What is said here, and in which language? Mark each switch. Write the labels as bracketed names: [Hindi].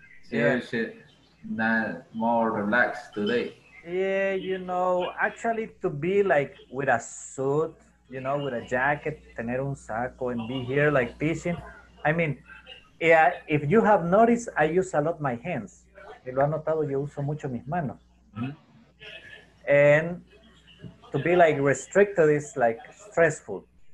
[English] Nice. Yeah, not more relaxed today. Yeah, you know, actually to be like with a suit, you know, with a jacket, [Spanish] tener un saco [English] and be here like teaching. I mean, yeah, if you have noticed, I use a lot my hands. [Spanish] Y lo ha notado, yo uso mucho mis manos. Mm-hmm. [English] And to be like restricted is like stressful.